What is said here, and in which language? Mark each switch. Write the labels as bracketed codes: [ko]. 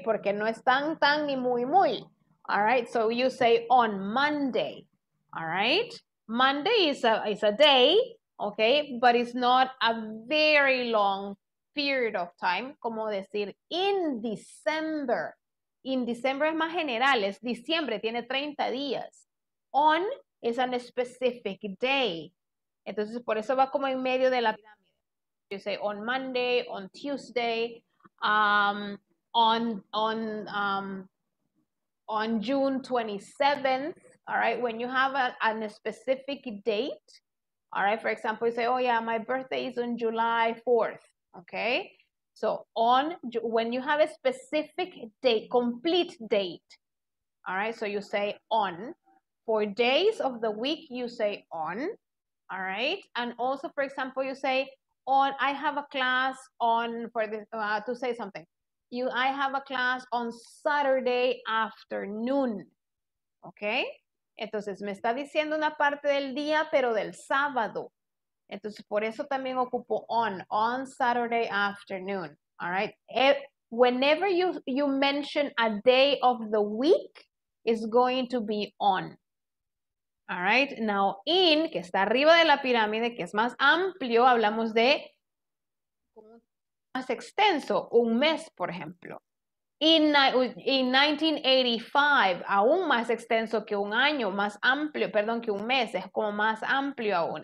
[es] Porque no es tan, tan, ni muy, muy, [en] all right? So you say on Monday, all right? Monday is a day, okay? But it's not a very long period of time, [es] como decir, [en] in December. In December [es] es más general, es diciembre, tiene 30 días. [en] On is a specific day. [es] Entonces, por eso va como en medio de la pirámide. [en] You say on Monday, on Tuesday, on June 27th, all right? When you have a specific date, all right? For example, you say, oh yeah, my birthday is on July 4th, okay? So on, when you have a specific date, complete date, all right? So you say on. For days of the week, you say on, all right? And also, for example, you say on, I have a class on, for the, to say something. I have a class on Saturday afternoon, okay? [es] Entonces, me está diciendo una parte del día, pero del sábado. Entonces, por eso también ocupo [en] on Saturday afternoon, all right? Whenever you mention a day of the week, it's going to be on, all right? [es] Now, in, que está arriba de la pirámide, que es más amplio, hablamos de más extenso, un mes, por ejemplo. In 1985, aún más extenso que un año, más amplio, perdón, que un mes, es como más amplio aún.